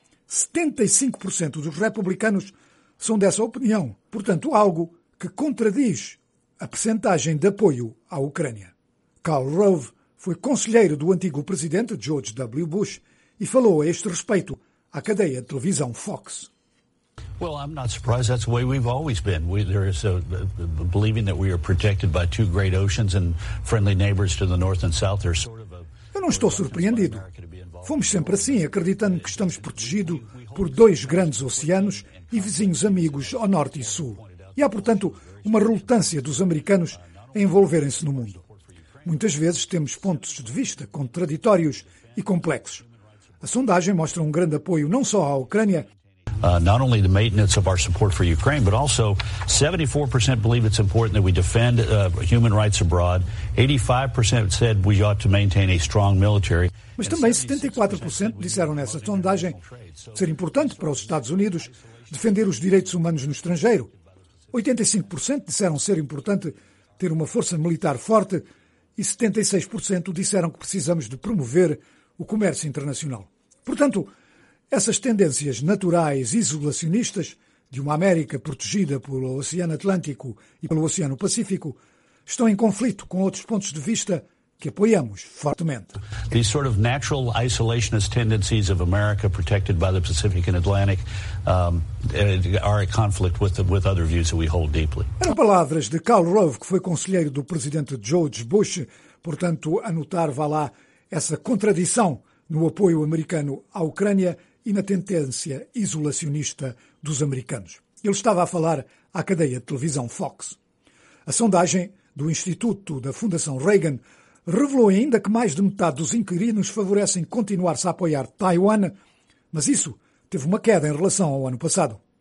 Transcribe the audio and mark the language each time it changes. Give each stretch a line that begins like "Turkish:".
Portuguese: 75% dos republicanos são dessa opinião, portanto, algo que contradiz a percentagem de apoio à Ucrânia. Karl Rove foi conselheiro do antigo presidente George W. Bush e falou a este respeito à cadeia de televisão Fox.
English: Well, I'm not surprised. That's the way we've always been. There is a believing that we are protected by two great oceans and friendly neighbors to the north and south. There's sort of a.
Portuguese: Eu não estou surpreendido. Fomos sempre assim, acreditando que estamos protegidos por dois grandes oceanos e vizinhos amigos ao norte e sul. E há, portanto, uma relutância dos americanos a envolverem-se no mundo. Muitas vezes temos pontos de vista contraditórios e complexos. A sondagem mostra um grande apoio não só à Ucrânia.
English: Not only the maintenance of our support for Ukraine, but also 74% believe it's important that we defend human rights abroad. 85% said we ought to maintain a strong military.
Portuguese: Mas também 74% disseram nessa sondagem ser importante para os Estados Unidos defender os direitos humanos no estrangeiro. 85% disseram ser importante ter uma força militar forte e 76% disseram que precisamos de promover o comércio internacional. Portanto, essas tendências naturais isolacionistas de uma América protegida pelo Oceano Atlântico e pelo Oceano Pacífico estão em conflito com outros pontos de vista que apoiamos fortemente.
English: These sort of natural isolationist tendencies of America protected by the Pacific and Atlantic are in conflict with other views that we hold deeply.
Portuguese: Eram palavras de Karl Rove, que foi conselheiro do presidente George Bush, portanto, anotar, vá lá, essa contradição no apoio americano à Ucrânia e na tendência isolacionista dos americanos. Ele estava a falar à cadeia de televisão Fox. A sondagem do Instituto da Fundação Reagan revelou ainda que mais de metade dos inquirinos favorecem continuar-se a apoiar Taiwan, mas isso teve uma queda em relação ao ano passado.